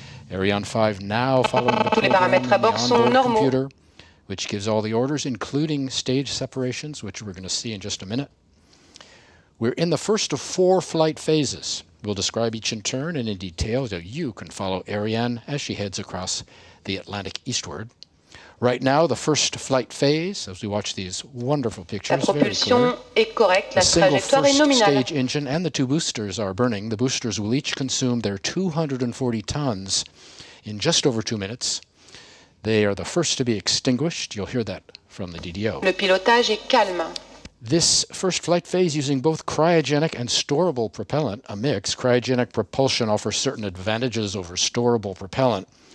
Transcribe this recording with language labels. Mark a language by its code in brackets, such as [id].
[en] Ariane 5 now following the program on the onboard computer, which gives all the orders, including stage separations, which we're going to see in just a minute. We're in the first of 4 flight phases. We'll describe each in turn and in detail so you can follow Ariane as she heads across the Atlantic eastward. Right now, the first flight phase, as we watch these wonderful pictures, [fr] la propulsion est correcte, la trajectoire est nominale. [en] The single first stage engine and the two boosters are burning. The boosters will each consume their 240 tons in just over 2 minutes. They are the first to be extinguished. You'll hear that from the DDO. [fr] Le pilotage est calme. [en] This first flight phase, using both cryogenic and storable propellant, a mix, cryogenic propulsion offers certain advantages over storable propellant.